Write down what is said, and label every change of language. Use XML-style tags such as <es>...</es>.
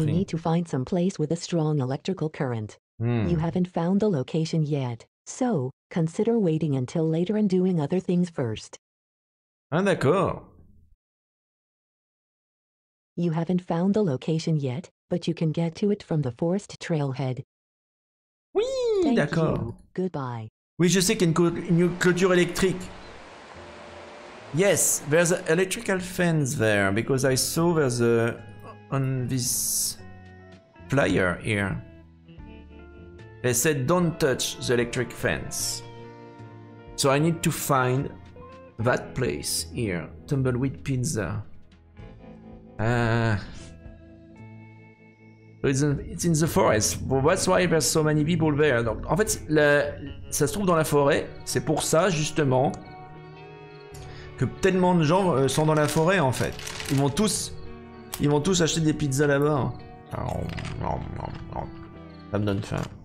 <en>You need to find some place with a strong electrical current. You haven't found the location yet. So, consider waiting until later and doing other things first.</en> <fr>Ah, d'accord.</fr> <en>You haven't found the location yet, but you can get to it from the forest trailhead.</en> <fr>Oui,</fr> <en>thank</en> <fr>d'accord.</fr> <en>You. Goodbye.</en> <fr>Oui, je sais qu'il y a une clôture électrique.</fr> <en>Yes, there's an electrical fence there because I saw there's a on this flyer here. They said don't touch the electric fence. So I need to find that place here, Tumbleweed Pizza. It's in the forest. Well, that's why there's so many people there.</en> <fr>Donc, en fait, ça se trouve dans la forêt. C'est pour ça, justement, que tellement de gens sont dans la forêt, en fait. Ils vont tous acheter des pizzas là-bas. Ça me donne faim.</fr>